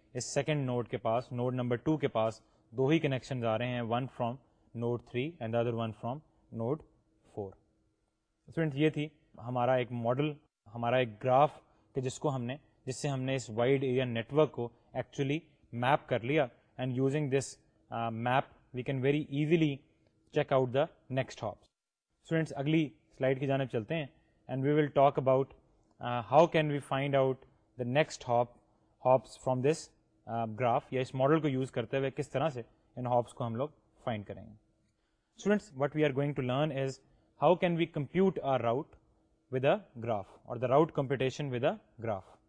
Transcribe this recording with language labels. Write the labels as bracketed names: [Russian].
[Urdu] اس second node کے پاس, node number 2 کے پاس دو ہی connection آ رہے ہیں, [English] One from node 3 and other one from node 4. [Urdu] Students, یہ تھی ہمارا ایک ماڈل, ہمارا ایک گراف کہ جس سے ہم نے اس وائڈ ایریا نیٹورک کو ایکچولی میپ کر لیا. [English] And using this map we can very easily check out the next hops. [Urdu] Students, اگلی سلائڈ کی جانب چلتے ہیں [English] and we will talk about how can we find out the next hops from this graph, [Urdu] یا اس model کو use کرتے ہوئے کس طرح سے ان ہاپس کو ہم لوگ فائنڈ کریں گے. [English] Students, what we are going to learn is how can we compute or route with a graph, اور the route computation with a graph.